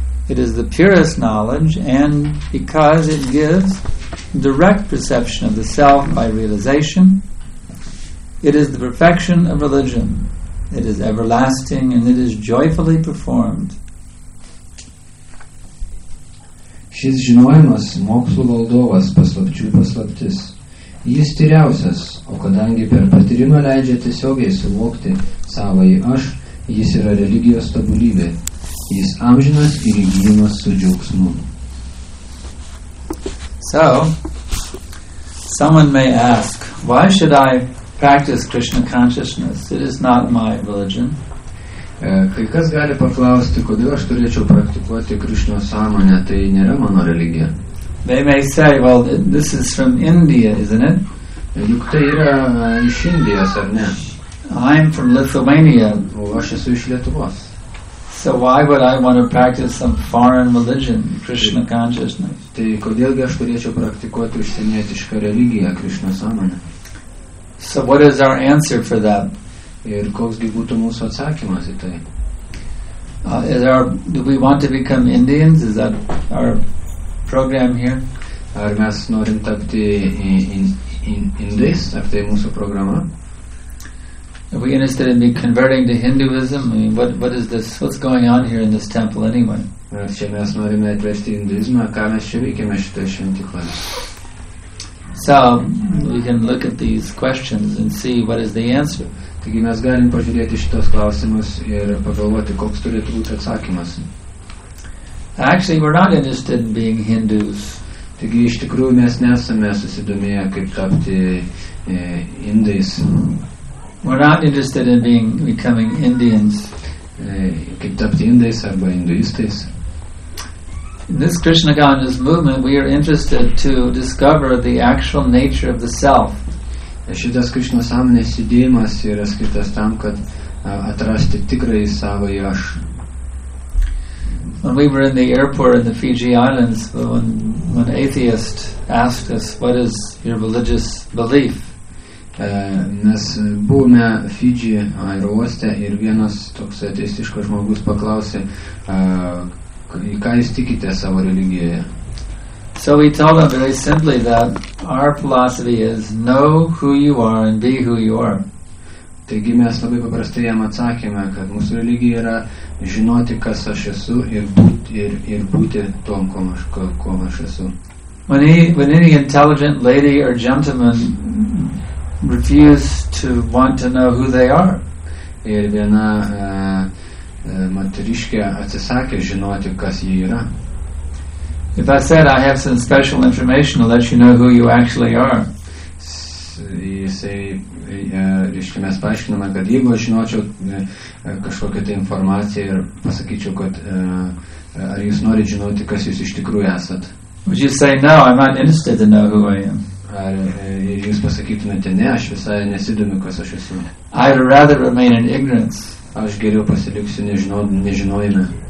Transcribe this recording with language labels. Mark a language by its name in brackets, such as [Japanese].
[English] It is the purest knowledge, and because it gives direct perception of the self by realization, it is the perfection of religion. It is everlasting and it is joyfully performed. [Lithuanian] Šis žinojimas mokslo valdovas paslapčių paslaptis. Jis tyriausias, o kadangi per patyrimą leidžia tiesiogiai suvokti savąjį aš, jis yra religijos tobulybė. Jis amžinas ir įgyjimas su džiaugsmu. [English] So, someone may ask, why should I practice Krishna consciousness? It is not my religion. [Lithuanian] Kai kas gali paklausti, kodėl aš turėčiau praktikuoti Krišnos sąmonę, tai nėra mano religija. [English] They may say, well, this is from India, isn't it? [Lithuanian] Juk tai yra iš Indijos, ar ne? [English] I'm from Lithuania. [Lithuanian] O aš esu iš Lietuvos. [English] So why would I want to practice some foreign religion, Krishna consciousness? [Lithuanian] Tai kodėlgi aš turėčiau praktikuoti užsienietišką religiją, Krišnos sąmonę? [English] So what is our answer for that? [Lithuanian] Ir koks gi būtų mūsų atsakymas į tai? [English] Do we want to become Indians? Is that our program here? [Lithuanian] Ar mes norim tapti Indais? Ar tai mūsų programa? [English] Are we interested in converting to Hinduism? I mean, what is this? What's going on here in this temple anyway? [Lithuanian] Ar čia mes norime atvesti Hinduizmą? Ką mes čia veikiame šitoje šventykloje? [English] So, we can look at these questions and see what is the answer. [Lithuanian] Taigi mes galim pažiūrėti šitos klausimus ir pagalvoti, koks turėtų būti atsakymas. [English] Actually, we're not interested in being Hindus. [Lithuanian] Taigi iš tikrųjų mes nesame susidomėję, kaip tapti Indais. [English] We're not interested in becoming Indians. [Lithuanian] Kaip tapti Indais arba Hinduistais. [English] In this Krishna consciousness movement, we are interested to discover the actual nature of the self. [Lithuanian] Šitas Krishna sąmonės judėjimas yra skirtas tam, kad atrasti tikrąjį savąjį aš. [English] When we were in the airport in the Fiji Islands, when atheist asked us, what is your religious belief? [Lithuanian] Mes buvome Fiji aerouoste ir vienas toks ateistiškas žmogus paklausė, ką jūs tikite savo religijoje? [English] So we tell them very simply that our philosophy is know who you are and be who you are. [Lithuanian] Taigi mes labai paprastai jam atsakėme, kad mūsų religija yra žinoti, kas aš esu ir būti tom, kom aš esu. [English] When any intelligent lady or gentleman refuse to want to know who they are, [Lithuanian] ir viena moteriškė atsisakė žinoti, kas jie yra. [English] If I said I have some special information to let you know who you actually are. [Lithuanian] Reiškia, mes paaiškiname, kad jeigu aš žinočiau kažkokią tą informaciją ir pasakyčiau, kad ar jūs norite žinoti, kas jūs iš tikrųjų esat. [English] Would you say no, I'm not interested to know who I am. [Lithuanian] Ar jūs pasakytumėte ne, aš visai nesidomiu, kas aš esu. [English] I'd rather remain in ignorance. [Lithuanian] Aš geriau pasiliksiu nežinojime.